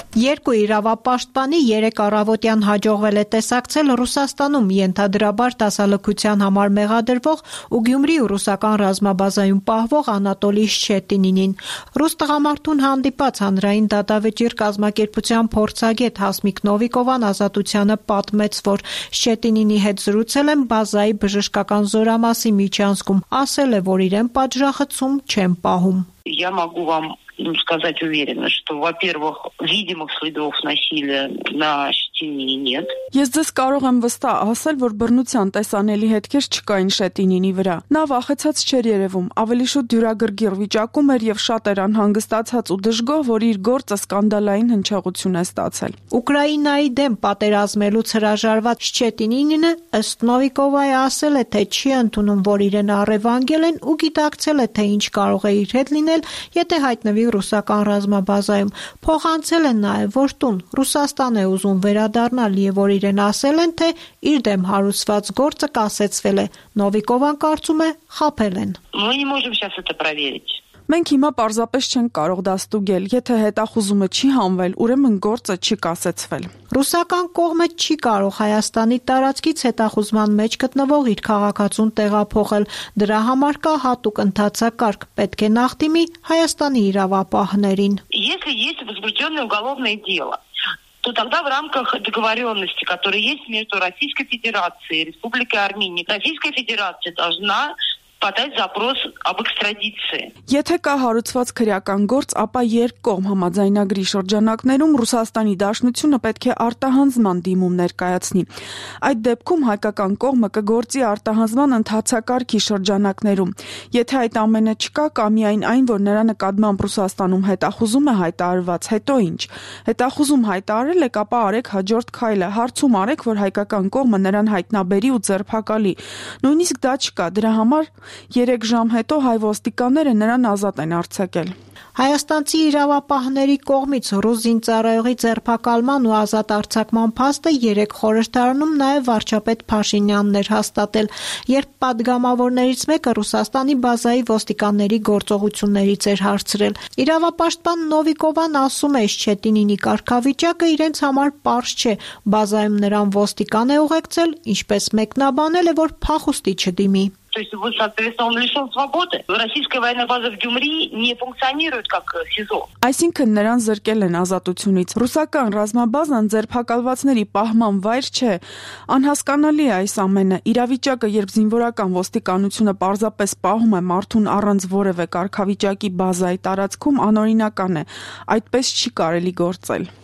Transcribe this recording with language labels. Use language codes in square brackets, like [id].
[hy] Երկու իրավապաշտպանի 3 առավոտյան հաջողվել է տեսակցել Ռուսաստանում ենթադրաբար դասալքության համար մեղադրվող ու Գյումրի ու ռուսական ռազմաբազայում պահվող Անատոլի Շչետինին։ Ռուս տղամարդուն հանդիպած հանրային դատավճիր կազմակերպության փորձագետ Հասմիկ Նովիկովան ազատությանը պատմեց, որ Շչետինինի հետ զրուցել են բազայի բժշկական զորամասի միջանցքում, ասել է, որ իրեն պատժախցում չեն պահում։ [ru] Я могу вам сказать уверенно, что, во-первых, видимых следов насилия на Штинине нет. [hy] Ես ձեզ կարող եմ վստահ ասել, որ բռնության տեսանելի հետքեր չկային Շետինինի վրա։ Նա վախեցած չէր երևում, ավելի շուտ դյուրագրգիր վիճակում էր և շատ էր անհանգստացած ու դժգոհ, որ իր գործը սկանդալային հնչեղություն է ստացել։ Ուկրաինայի դեմ պատերազմելուց հրաժարված Շետինինինը, ըստ Նովիկովայի, ասել է, թե չի ընդունում, որ իրեն առևանգել են ու գիտակցել է, թե ինչ կարող է իր հետ լինել, եթե հայտնվի ռուսական ռազմաբազայում։ Փոխանցել են նաև, որ տուն Ռուսաստան է ուզում վերադառնալ և որ իրեն ասել են, թե իր դեմ հարուցված գործը կասեցվել է, Նովիկովան կարծում է, խաբել են։ Մենք հիմա պարզապես չենք կարող դա ստուգել, եթե հետախուզումը չի հանվել, ուրեմն գործը չի կասեցվել։ Ռուսական կողմը չի կարող Հայաստանի տարածքից հետախուզման մեջ գտնվող իր քաղաքացուն տեղափոխել, դրա համար կա հատուկ ընթացակարգ, պետք է նախտիմի Հայաստանի իրավապահներին։ Եթե [ru] есть возбуждённое уголовное дело, то тогда в рамках договоренности, которая есть между Российской Федерацией и Республикой Армении, Российская Федерация должна подать запрос об экстрадиции. [hy] Եթե կա հարուցված քրեական գործ, ապա երկ կողմ համաձայնագրի շրջանակներում Ռուսաստանի Դաշնությունը պետք է արտահանձման դիմում ներկայացնի։ Այդ դեպքում հայկական կողմը կգործի արտահանձման ընթացակարգի շրջանակներում։ Եթե այդ ամենը չկա, կամ միայն այն, որ նրա նկատմամբ Ռուսաստանում հետախուզում է հայտարարված, հետո ինչ։ Հետախուզում հայտարարել եք, ապա արեք հաջորդ քայլը, հարցում արեք, որ հայկական կողմը նրան հայտնաբերի ու ձերբակալի։ Նույնիսկ դա չկա, դրա համար 3 ժամ հետո հայ ոստիկանները նրան ազատ են արձակել։ Հայաստանցի իրավապահների կողմից ռուսին ծառայողի ձերբակալման ու ազատ արձակման փաստը 3 խորհրդարանում նաև վարչապետ Փաշինյանն էր հաստատել, երբ падգամավորներից մեկը Ռուսաստանի բազայի ոստիկանների գործողություններից էր հարցրել։ Իրավապաշտպան Նովիկովան ասում է, Շչետինինի կարգավիճակը իրենց համար պարզ չէ, բազայում նրան ոստիկան է ուղեկցել, ինչպես մեկնաբանել է, որ փախուստի չդիմի։ [ru] То есть, вот, соответственно, он лишен свободы. Российская военная база в Гюмри не функционирует как СИЗО. [hy] Այսինքն նրան զրկել են ազատությունից։ Ռուսական ռազմաբազան ձերբակալվածների պահման վայր չէ։ Անհասկանալի է այս ամենը։ Իրավիճակը, երբ զինվորական ոստիկանությունը պարզապես պահում է մարդուն առանց որևէ կարգավիճակի բազայի տարածքում, անօրինական է։ Այդպես չի կարելի գործել։